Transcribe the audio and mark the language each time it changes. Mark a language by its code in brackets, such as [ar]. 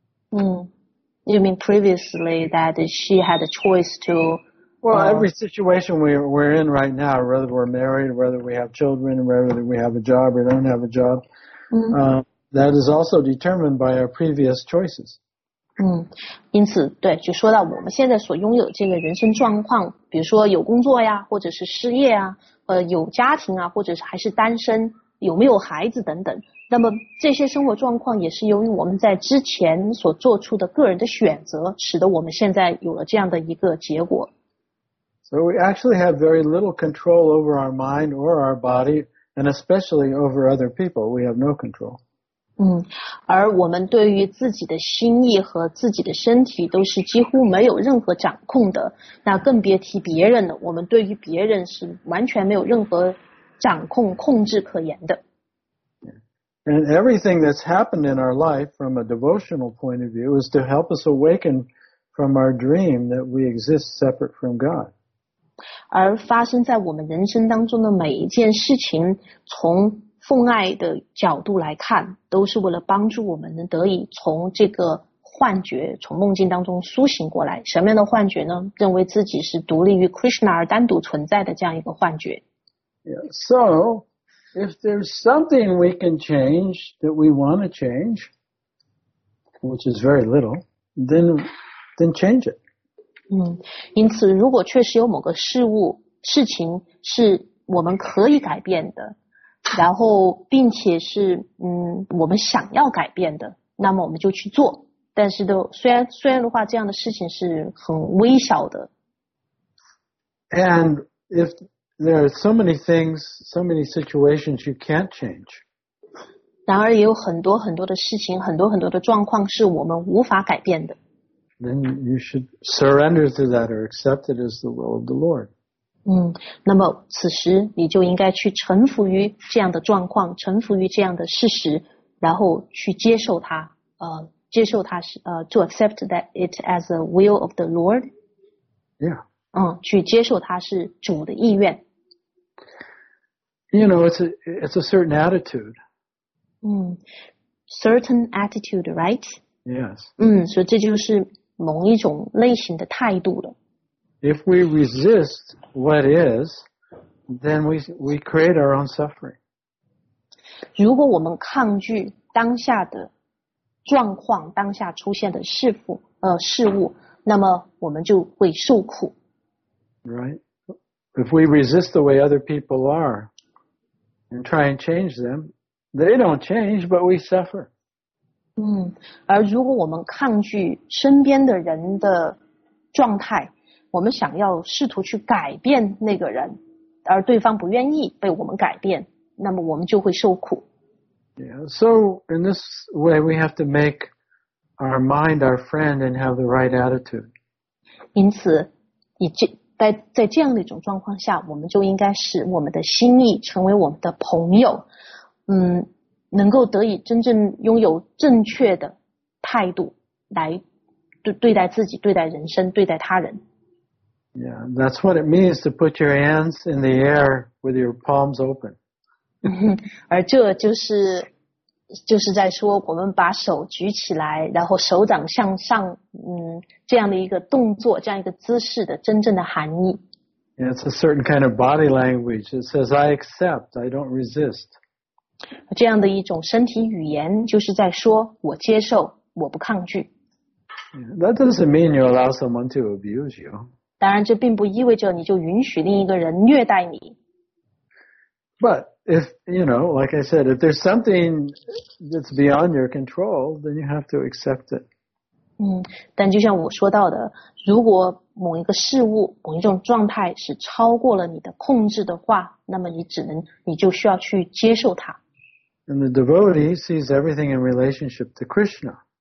[en] You mean previously that she had a choice to... Well, every situation we're in right now, whether we're married, whether we have children, whether we have a job or don't have a job, that is also determined by our previous choices. [zh] 因此对，就说到我们现在所拥有这个人生状况，比如说有工作呀，或者是失业啊，有家庭啊，或者是还是单身，有没有孩子等等，那么这些生活状况也是由于我们在之前所做出的个人的选择使得我们现在有了这样的一个结果。 [en] So we actually have very little control over our mind or our body, and especially over other people, we have no control. [zh] 而我们对于自己的心意和自己的身体都是几乎没有任何掌控的，那更别提别人了，我们对于别人是完全没有任何掌控控制可言的。 [en] And everything that's happened in our life from a devotional point of view is to help us awaken from our dream that we exist separate from God. [zh] 而发生在我们人生当中的每一件事情，从奉爱的角度来看，都是为了帮助我们能得以从这个幻觉，从梦境当中苏醒过来。什么样的幻觉呢？认为自己是独立于 Krishna 而单独存在的这样一个幻觉。 [en] Yeah, so, if there's something we can change that we want to change, which is very little, then change it. [zh] 因此如果确实有某个事物、事情是我们可以改变的，然后并且是我们想要改变的，那么我们就去做。但是都虽然的话，这样的事情是很微小的。 [en] And if there are so many things, so many situations you can't change. [zh] 然而也有很多很多的事情，很多很多的状况是我们无法改变的。 [en] Then you should surrender to that or accept it as the will of the Lord. [zh] 那么此时你就应该去臣服于这样的状况，臣服于这样的事实，然后去接受它。接受它是 [en] to accept that it as the will of the Lord. Yeah. [zh] 去接受它是主的意愿。 [en] You know, it's a certain attitude. Certain attitude, right? Yes. [zh] 所以这就是某一种类型的态度了。 [en] If we resist what is, then we create our own suffering. [zh] 如果我们抗拒当下的状况，当下出现的事物，那么我们就会受苦。 [en] Right. If we resist the way other people are and try and change them, they don't change, but we suffer. [zh] 而如果我们抗拒身边的人的状态，我们想要试图去改变那个人，而对方不愿意被我们改变，那么我们就会受苦。 [en] Yeah, so in this way we have to make our mind our friend and have the right attitude. [zh] 因此在这样的一种状况下，我们就应该使我们的心意成为我们的朋友，能够得以真正拥有正确的态度来对待自己，对待人生，对待他人。 [en] Yeah, that's what it means to put your hands in the air with your palms open. [zh] 而这就是在说我们把手举起来，然后手掌向上，这样的一个动作，这样一个姿势的真正的含义。 [en] It's a certain kind of body language. It says, I accept, I don't resist. [zh] 这样的一种身体语言就是在说我接受，我不抗拒。 [en] That doesn't mean you allow someone to abuse you. [zh] 当然这并不意味着你就允许另一个人虐待你。 [en] But if, you know, like I said, if there's something that's beyond your control, then you have to accept it. [zh] 但就像我说到的，如果某一个事物、某一种状态是超过了你的控制的话，那么你就需要去接受它。 [en] And the devotee sees everything in relationship to Krishna.